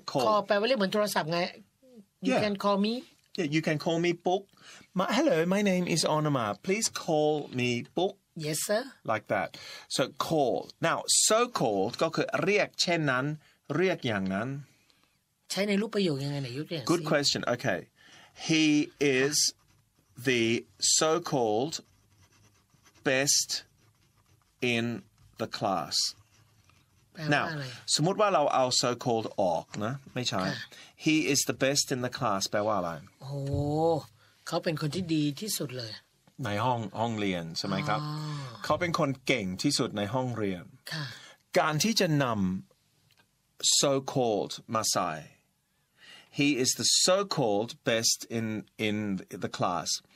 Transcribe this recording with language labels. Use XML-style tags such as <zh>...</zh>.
<th>call แปลว่าเรียกเหมือนโทรศัพท์ไง</th> <en>You can call me. Yeah, you can call me book. Hello, my name is Anuma. Please call me book. Yes, sir. Like that. So call.</en> <th>Now, so called ก็คือเรียกเช่นนั้นเรียกอย่างนั้น ใช้ในรูปประโยคยังไงไหนยุทธเนี่ย</th> <en>Good question. Okay. He is the so-called best in the class. Now,</en> <th>สมมติว่าเราเอา so-called ออกนะไม่ใช่</th> <en>He is the best in the class.</en> <th>แปลว่าอะไร โอ้เขาเป็นคนที่ดีที่สุดเลย ในห้องเรียนใช่ไหมครับเขาเป็นคนเก่งที่สุดในห้องเรียนการที่จะนำ so-called มาใส่</th> <en>He is the so-called best in the class.</en>